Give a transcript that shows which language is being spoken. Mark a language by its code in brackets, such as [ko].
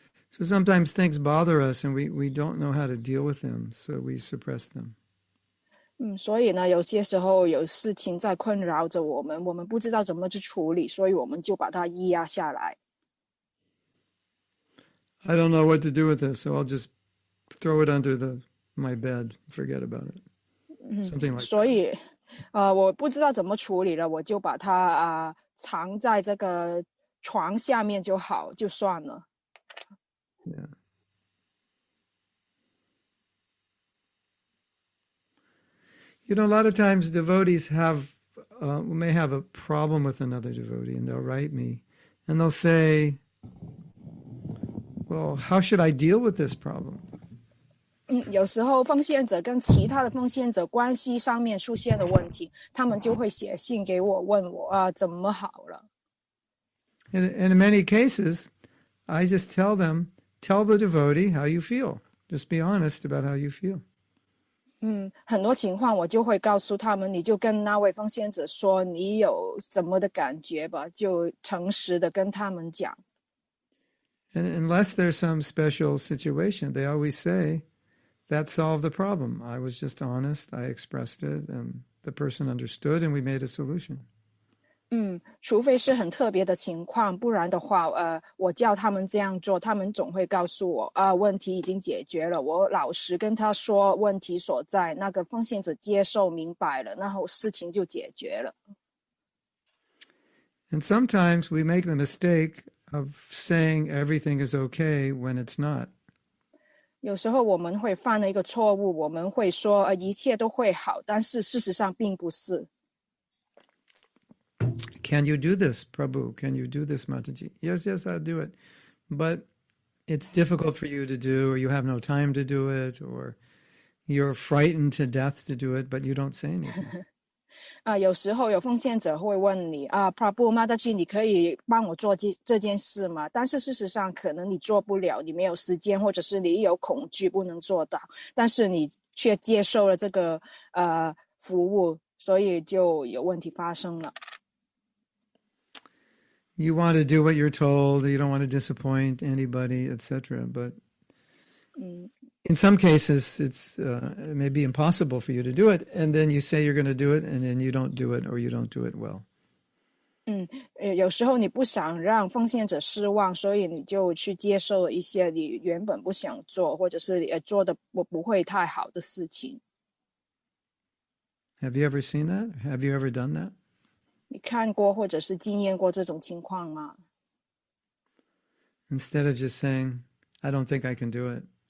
[en] So sometimes things bother us and we don't know how to deal with them, so we suppress them. [zh] 所以呢，有些时候有事情在困扰着我们，我们不知道怎么去处理，所以我们就把它压下来。 [en] I don't know what to do with this, so I'll just throw it under my bed, forget about it. Something like that. [zh] 我不知道怎么处理了，我就把它藏在这个床下面就好，就算了。 [en] Yeah. You know, a lot of times devotees have, may have a problem with another devotee, and they'll write me, and they'll say, well, how should I deal with this problem? [zh] 有时候奉献者跟其他的奉献者关系上面出现的问题，他们就会写信给我，问我啊，怎么好了。 [en] And in many cases, I just tell them, tell the devotee how you feel. Just be honest about how you feel. [zh] 很多情况我就会告诉他们，你就跟那位奉献者说你有怎么的感觉吧，就诚实的跟他们讲。 [en] And unless there's some special situation, they always say,That solved the problem. I was just honest. I expressed it, and the person understood, and we made a solution. [zh] 除非是很特别的情况，不然的话，我叫他们这样做，他们总会告诉我，问题已经解决了。我老实跟他说问题所在，那个奉献者接受明白了，然后事情就解决了。 [en] And sometimes we make the mistake of saying everything is okay when it's not. [zh] 有时候我们会犯了一个错误，我们会说一切都会好，但是事实上并不是。 [en] Can you do this, Prabhu? Can you do this, Mataji? Yes, yes, I'll do it. But it's difficult for you to do, or you have no time to do it, or you're frightened to death to do it, but you don't say anything. [zh] 有时候有奉献者会问你Prabhu Mataji, 你可以帮我做这件事吗？但是事实上可能你做不了，你没有时间，或者是你有恐惧不能做到，但是你却接受了这个服务，所以就有问题发生了。 [en] You want to do what you're told, you don't want to disappoint anybody, etc. But in some cases, it's maybe impossible for you to do it, and then you say you're going to do it, and then you don't do it, or you don't do it well. [zh] 有时候你不想让奉献者失望，所以你就去接受一些你原本不想做，或者是做的不会太好的事情。 [en] Have you ever seen that? Have you ever done that? [zh] 你看过或者是经验过这种情况吗？ [en] Instead of just saying, I don't think I can do it.